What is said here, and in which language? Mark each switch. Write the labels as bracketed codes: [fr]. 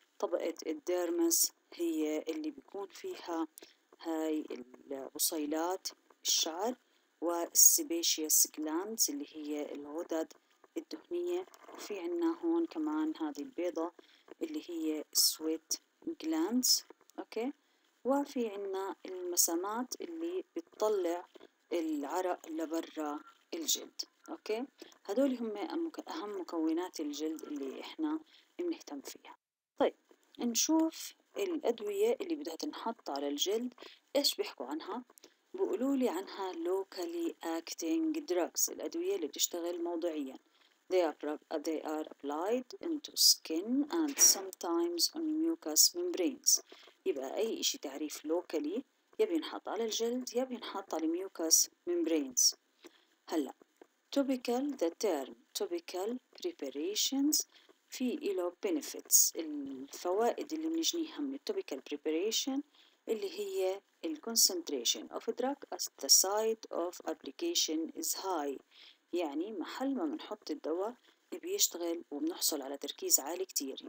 [ar] طبقة الديرمس هي اللي بيكون فيها هاي البصيلات الشعر والسيبيشيس جلاندز اللي هي الغدد الدهنية، وفي عنا هون كمان هذه البيضة اللي هي السويت جلاندز، أوكي؟ وفي عنا المسامات اللي بتطلع العرق لبرا الجلد، أوكي؟ هدول هم أهم مكونات الجلد اللي إحنا بنهتم فيها. طيب نشوف الأدوية اللي بدها تنحط على الجلد إيش بيحكوا عنها؟ بيقولوا لي عنها [en] locally acting drugs، [ar] الأدوية اللي بتشتغل موضعياً. [en] They are applied into skin and sometimes on mucous membranes. [ar] يبقى أي إشي تعريف locally يبي ينحط على الجلد يبي ينحط على mucous membranes. هلأ topical، [en] the term topical preparations [ar] في إله benefits، الفوائد اللي بنجنيها من topical preparation اللي هي ال [en] concentration of a drug at the site of application is high، [ar] يعني محل ما بنحط الدواء بيشتغل وبنحصل على تركيز عالي كتير.